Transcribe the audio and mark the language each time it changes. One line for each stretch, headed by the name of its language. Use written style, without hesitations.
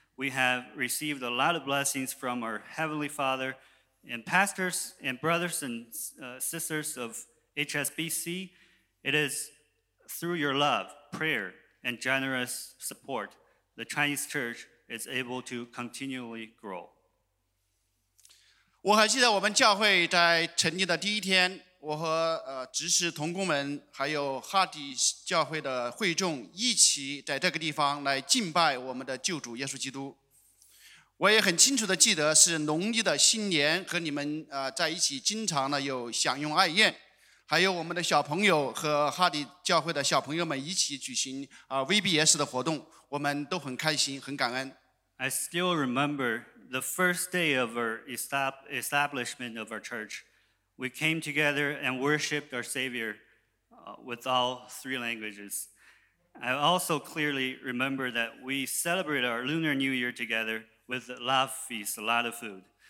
English: We have received a lot of blessings from our Heavenly Father and pastors and brothers and sisters of HSBC. It is through your love, prayer, and generous support, the Chinese Church is able to continually grow.
Chinese: 我还记得我们教会在成立的第一天，我和执事同工们还有哈迪教会的会众一起在这个地方来敬拜我们的救主耶稣基督。我也很清楚的记得是农历的新年，和你们在一起经常的有享用爱宴，还有我们的小朋友和哈迪教会的小朋友们一起举行VBS 的活动，我们都很开心很感恩。
English: I still remember the first day of our establishment of our churchWe came together and worshiped our Savior with all three languages. I also clearly remember that we celebrated our Lunar New Year together with a love feast, a lot of food.